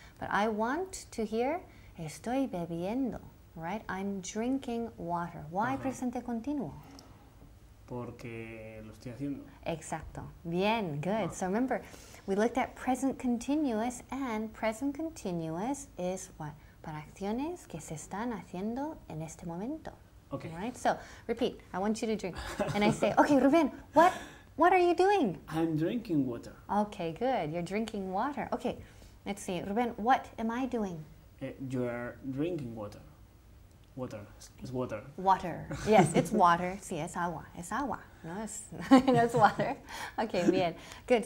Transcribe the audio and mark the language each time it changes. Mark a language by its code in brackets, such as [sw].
[en] But I want to hear [es] estoy bebiendo, [en] right? I'm drinking water. Why uh-huh. [es] presente continuo? Porque lo estoy haciendo. Exacto. Bien, good. Ah. [en] So remember, we looked at present continuous, and present continuous is what? [es] Para acciones que se están haciendo en este momento. [en] Okay. Right? So, repeat. I want you to drink. And I say, okay, Ruben, what are you doing? I'm drinking water. Okay, good. You're drinking water. Okay, let's see. Ruben, what am I doing? You are drinking water. Water. It's water. Water. Yes, it's water. [es] Sí, es agua. Es agua. [en] No, it's water. Okay, bien. Good.